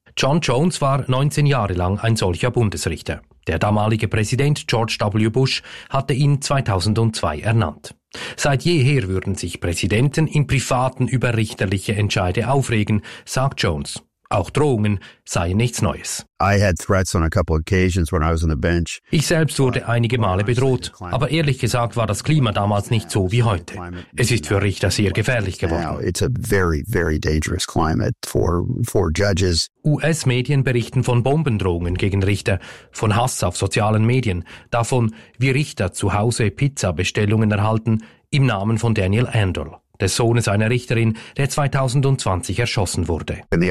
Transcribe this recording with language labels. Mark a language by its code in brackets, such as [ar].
[de] John Jones war 19 Jahre lang ein solcher Bundesrichter. Der damalige Präsident George W. Bush hatte ihn 2002 ernannt. Seit jeher würden sich Präsidenten im Privaten über richterliche Entscheide aufregen, sagt Jones. Auch Drohungen seien nichts Neues. [en] I had threats on a couple occasions when I was on the bench. [de] Ich selbst wurde einige Male bedroht, aber ehrlich gesagt war das Klima damals nicht so wie heute. Es ist für Richter sehr gefährlich geworden. [en] It's a very, very dangerous climate for judges. [de] US-Medien berichten von Bombendrohungen gegen Richter, von Hass auf sozialen Medien, davon, wie Richter zu Hause Pizza-Bestellungen erhalten, im Namen von Daniel Andel, des Sohnes einer Richterin, der 2020 erschossen wurde.